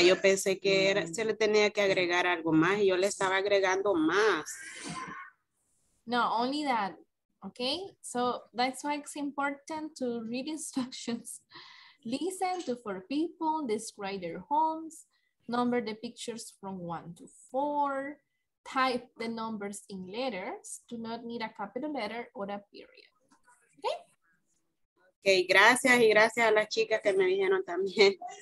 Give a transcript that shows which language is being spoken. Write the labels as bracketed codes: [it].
[es] Yo pensé que era, se le tenía que agregar algo más y yo le estaba agregando más. [en] No, only that. Okay, so that's why it's important to read instructions. Listen to four people, describe their homes, number the pictures from 1 to 4, type the numbers in letters, do not need a capital letter or a period. Okay? [es] Ok, gracias y gracias a las chicas que me dijeron también.